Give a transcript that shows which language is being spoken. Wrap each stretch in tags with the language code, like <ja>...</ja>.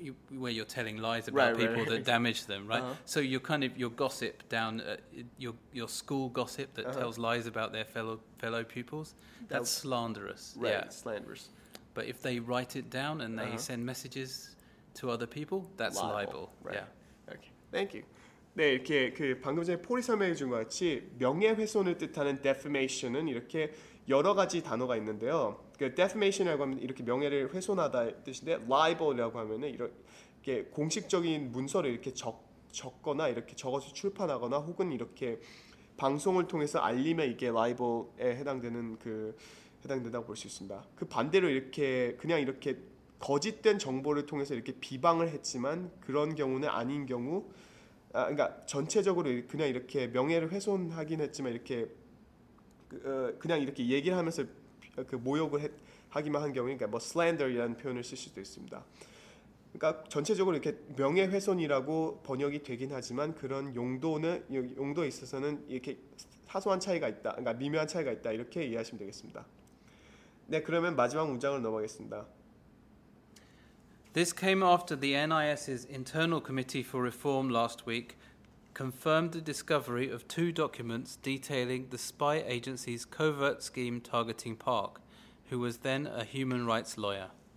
<en>Where you're telling lies about people right. that damage them, right? Uh-huh. So you're kind of your gossip down, your school gossip that uh-huh. tells lies about their fellow pupils. That's slanderous. Right, yeah. slanderous. But if they write it down and they uh-huh. send messages to other people, that's libel. Right. Yeah. Okay. Thank you.</en> <ko>네, 이렇게 그 방금 전에 폴이 설명해 준 것 같이 명예훼손을 뜻하는 defamation은 이렇게 여러 가지 단어가 있는데요. 그 defamation이라고 하면 이렇게 명예를 훼손하다 뜻인데 libel이라고 하면은 이렇게 공식적인 문서를 이렇게 적 적거나 이렇게 적어서 출판하거나 혹은 이렇게 방송을 통해서 알리면 이게 라이벌에 해당되는 그 해당된다고 볼 수 있습니다. 그 반대로 이렇게 그냥 이렇게 거짓된 정보를 통해서 이렇게 비방을 했지만 그런 경우는 아닌 경우, 그러니까 전체적으로 그냥 이렇게 명예를 훼손하긴 했지만 이렇게 그냥 이렇게 얘기를 하면서 그 모욕을 하기만 한 경우, 그러니까 뭐 slander라는 표현을 쓸 수도 있습니다. 그러니까 전체적으로 이렇게 명예훼손이라고 번역이 되긴 하지만 그런 용도는 용도에 있어서는 이렇게 사소한 차이가 있다, 그러니까 미묘한 차이가 있다 이렇게 이해하시면 되겠습니다. 네, 그러면 마지막 문장을 넘어가겠습니다.</ko> <en>This came after the NIS's Internal Committee for Reform last week confirmed the discovery of two documents detailing the spy agency's covert scheme targeting Park, who was then a human rights lawyer.</en>